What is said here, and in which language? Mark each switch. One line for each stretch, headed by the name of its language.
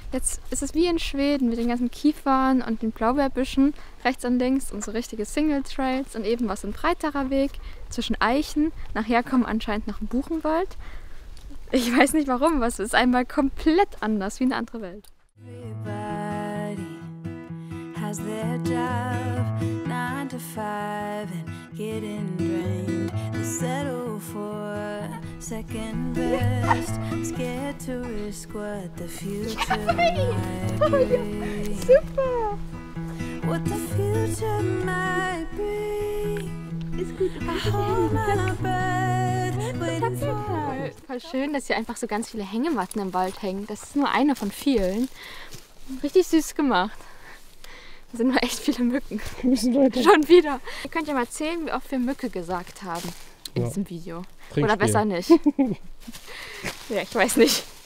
German: Jetzt ist es wie in Schweden mit den ganzen Kiefern und den Blaubeerbüschen, rechts und links unsere richtige Single Trails und eben was ein breiterer Weg zwischen Eichen. Nachher kommen anscheinend noch ein Buchenwald. Ich weiß nicht warum, aber es ist einmal komplett anders, wie eine andere Welt.
English: Everybody has their job. 9 to 5 and getting drained. They settle for second best. Scared to risk what the future might bring. What the future might bring. I hold my breath.
German: Voll schön, dass hier einfach so ganz viele Hängematten im Wald hängen. Das ist nur eine von vielen. Richtig süß gemacht. Da sind nur echt viele Mücken. Wir müssen weiter. Schon wieder. Ihr könnt ja mal zählen, wie oft wir Mücke gesagt haben in diesem Video. Trinkspiel. Oder besser nicht. Ja, ich weiß nicht.